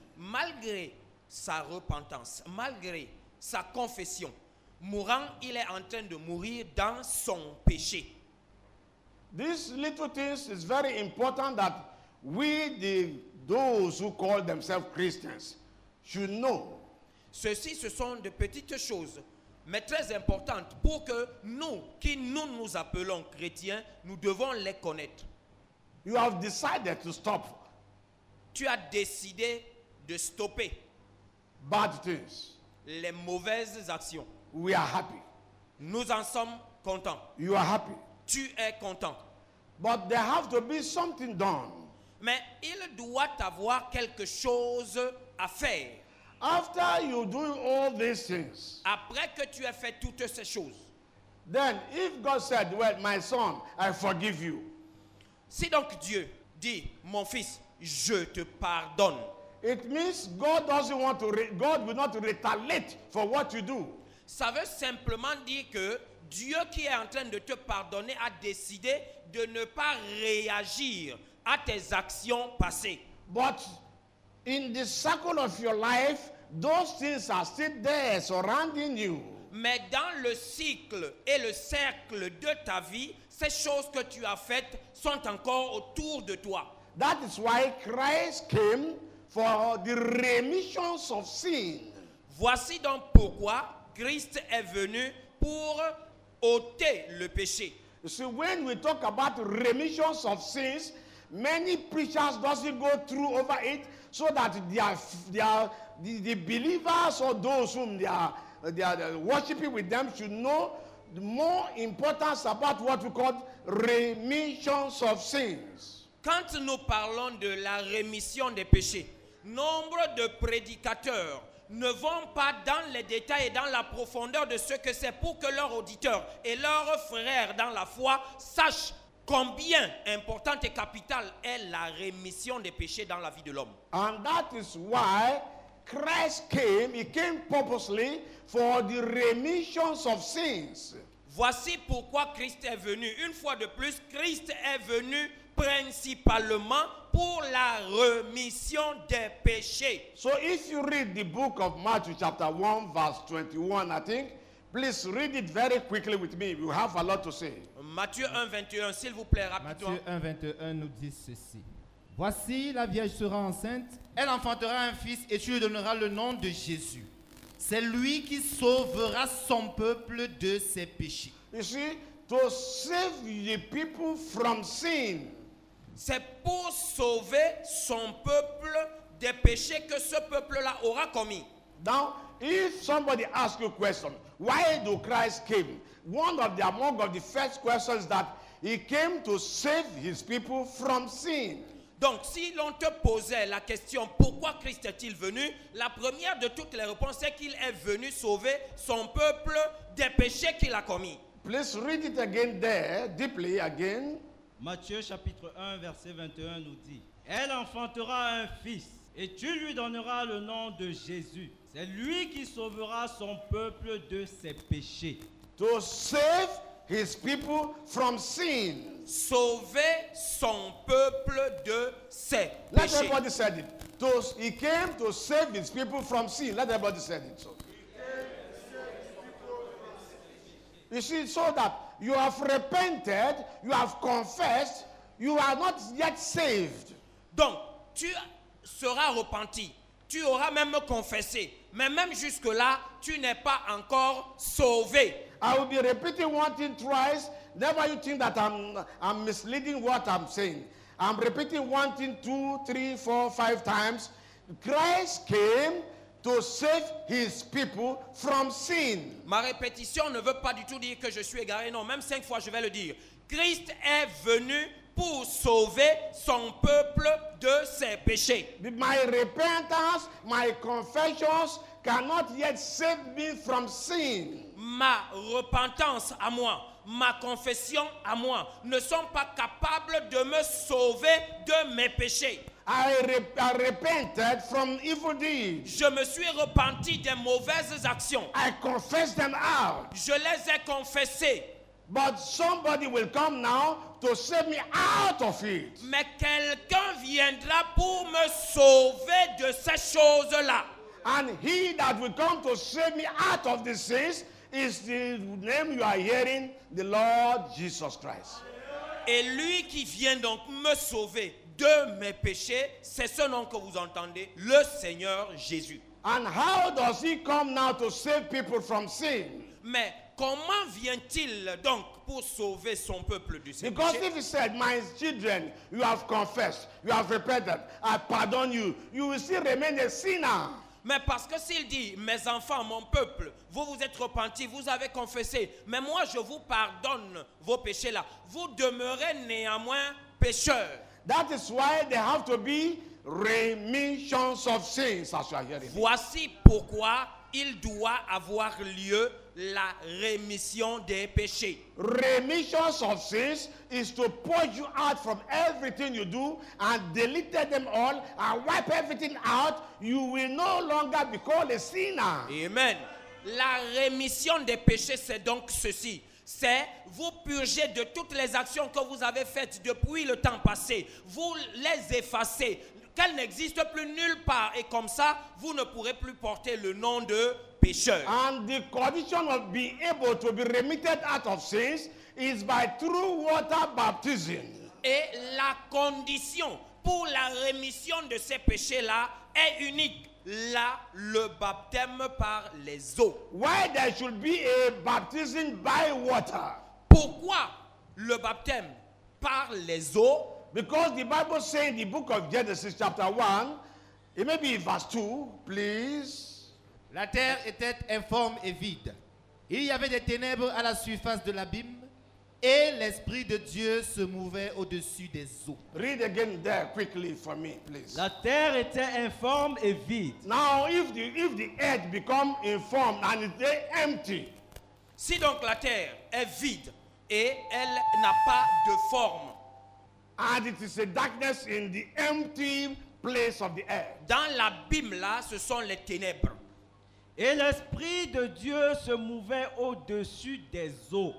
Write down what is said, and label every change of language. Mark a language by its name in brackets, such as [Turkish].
[French] Malgré sa repentance, malgré sa confession, mourant, il est en train de mourir dans son péché. [English] This little thing is very important that we the those who call themselves Christians should know. [French] Ceci, ce sont de petites choses, mais très importantes pour que nous, qui nous nous appelons chrétiens, nous devons les connaître. [English] You have decided to stop. [French] Tu as décidé de stopper. [English] Bad things. [French] Les mauvaises actions. [English] We are happy. [French] Nous en sommes contents. [English] You are happy. [French] Tu es content. [English] But there have to be something done. [French] Mais il doit avoir quelque chose à faire. [English] After you do all these things, [French] après que tu as fait toutes ces choses, [English] then if God said, well, my son, I forgive you. [French] Si donc Dieu dit, mon fils, je te pardonne. [English] It means God will not retaliate for what you do. [French] Ça veut simplement dire que Dieu qui est en train de te pardonner a décidé de ne pas réagir à tes actions passées. [English] But in the circle of your life, those things are still there surrounding you. [French] Mais dans le cycle et le cercle de ta vie, ces choses que tu as faites sont encore autour de toi. [English] That is why Christ came for the remission of sin. [French] Voici donc pourquoi Christ est venu pour ôter le péché. [English] So when we talk about remission of sins, many preachers doesn't go through over it so that the believers or those whom they are worshiping with them should know the more importance about what we call remission of sins. [French] Quand nous parlons de la rémission des péchés, nombre de prédicateurs ne vont pas dans les détails et dans la profondeur de ce que c'est pour que leurs auditeurs et leurs frères dans la foi sachent combien importante et capitale est la rémission des péchés dans la vie de l'homme. [English] And that is why Christ came, he came purposely for the remission of sins. [French] Voici pourquoi Christ est venu. Une fois de plus, Christ est venu principalement pour la remission des péchés. [English] So if you read the book of Matthew chapter 1 verse 21, I think, Please read it very quickly with me. We have a lot to say. [French] Matthieu 1, 21, s'il vous plaît, rapidement. Matthieu 1, 21 nous dit ceci. Voici, la Vierge sera enceinte. Elle enfantera un fils et tu lui donneras le nom de Jésus. C'est lui qui sauvera son peuple de ses péchés. [English] You see, to save the people from sin. [French] C'est pour sauver son peuple des péchés que ce peuple-là aura commis. [English] Now, if somebody asks you a question, why do Christ came? One of the among of the first questions is that he came to save his people from sin. [French] Donc, si l'on te posait la question pourquoi Christ est-il venu, la première de toutes les réponses est qu'il est venu sauver son peuple des péchés qu'il a commis. [English] Please read it again there, deeply again. [French] Matthieu chapitre 1, verset 21 nous dit, elle enfantera un fils et tu lui donneras le nom de Jésus. C'est lui qui sauvera son peuple de ses péchés. [English] To save his people from sin. [French] Sauver son peuple de ses [English] Let [French] péchés. [English] Let everybody say it. He came to save his people from sin. Let everybody say it. So. You see, so that you have repented, you have confessed, you are not yet saved. [French] Donc, tu seras repenti, tu auras même confessé, mais même jusque-là, tu n'es pas encore sauvé. [English] I will be repeating one thing twice. Never you think that I'm misleading what I'm saying. I'm repeating one thing two, three, four, five times. Christ came to save his people from sin. [French] Ma répétition ne veut pas du tout dire que je suis égaré. Non, même cinq fois, je vais le dire. Christ est venu pour sauver son peuple de ses péchés. [English] My repentance, my confessions cannot yet save me from sin. [French] Ma repentance à moi, ma confession à moi, ne sont pas capables de me sauver de mes péchés. [English] I repented from evil deeds. [French] Je me suis repenti des mauvaises actions. [English] I confessed them out. [French] Je les ai confessées. [English] But somebody will come now to save me out of it. [French] Mais quelqu'un viendra pour me sauver de ces choses-là. [English] And he that will come to save me out of these things is the name you are hearing, the Lord Jesus Christ. [French] Et lui qui vient donc me sauver de mes péchés, c'est ce nom que vous entendez, le Seigneur Jésus. [English] And how does he come now to save people from sin? [French] Mais comment vient-il donc pour sauver son peuple du péché? [English] Because if he said, my children, you have confessed, you have repented, I pardon you, you will still remain a sinner. [French] Mais parce que s'il dit, mes enfants, mon peuple, vous vous êtes repentis, vous avez confessé, mais moi je vous pardonne vos péchés là, vous demeurez néanmoins pécheurs. [English] That is why there have to be remissions of sins, as you are hearing. [French] Voici pourquoi il doit avoir lieu la rémission des péchés. [English] Remissions of sins is to purge you out from everything you do and delete them all and wipe everything out. You will no longer be called a sinner. [French] Amen. La rémission des péchés, c'est donc ceci. C'est vous purger de toutes les actions que vous avez faites depuis le temps passé. Vous les effacez. Qu'elles n'existent plus nulle part. Et comme ça, vous ne pourrez plus porter le nom de pécheur. [English] And the condition of being able to be remitted out of sins is by true water baptism. [French] Et la condition pour la rémission de ces péchés-là est unique. Là, le baptême par les eaux. [English] Why there should be a baptism by water? [French] Pourquoi le baptême par les eaux? [English] Because the Bible says in the book of Genesis chapter 1, it may be verse 2, please. [French] La terre était informe et vide. Il y avait des ténèbres à la surface de l'abîme et l'Esprit de Dieu se mouvait au-dessus des eaux. [English] Read again there quickly for me, please. [French] La terre était informe et vide. [English] Now, if the earth becomes informed and it is empty. [French] Si donc la terre est vide et elle n'a pas de forme. [English] And it is a darkness in the empty place of the earth. [French] Dans l'abîme là, ce sont les ténèbres. Et l'Esprit de Dieu se mouvait au-dessus des eaux.